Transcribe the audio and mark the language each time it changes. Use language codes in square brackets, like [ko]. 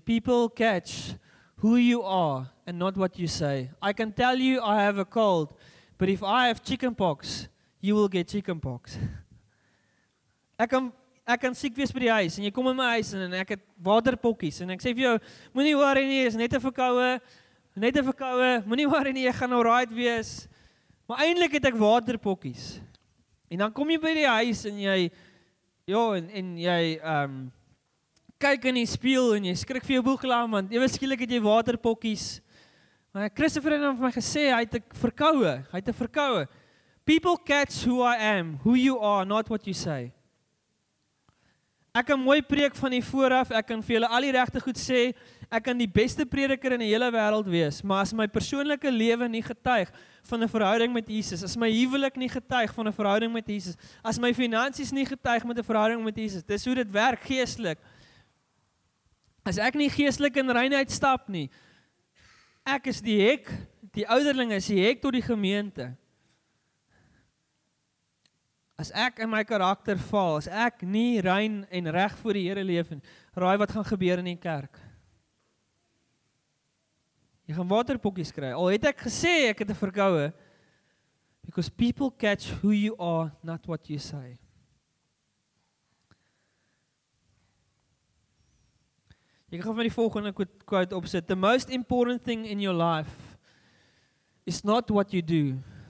[en] People catch who you are and not what you say. I can tell you I have a cold, but if I have chicken pox, you will get chicken pox. [af] Ek kan siek wees by die huis en jy kom in my huis en ek het waterpokkies en ek sê vir jou, moenie worry nie, is net 'n verkoue, moenie worry nie, jy gaan alright wees. Maar eindelijk het ek waterpokkies. En dan kom jy by die huis en jy kyk in die spieël en jy skrik vir jou boeklaan, want ewe skielik het jy waterpokkies. Maar Christopher het vir my gesê, hy het 'n verkoue. [en] People catch who I am, who you are, not what you say. [af] Ek kan mooi preek van die vooraf, ek kan vir julle al die regte goed sê, ek kan die beste prediker in die hele wêreld wees, maar as my persoonlike lewe nie getuig van 'n verhouding met Jesus, as my huwelik nie getuig van 'n verhouding met Jesus, as my finansies nie getuig met 'n verhouding met Jesus, dis hoe dit werk geestelik. As ek nie geestelik in reinheid stap nie, ek is die hek, die ouderling is die hek tot die gemeente. As ek in my karakter val, as ek nie rein en reg voor die Here leef, raai wat gaan gebeur in die kerk. Jy gaan waterpokkies kry. Al het ek gesê, ek het 'n verkoue. [en] Because people catch who you are, not what you say. [af] Jy kan van die volgende quote opsit. [en] The most important thing in your life is not what you do.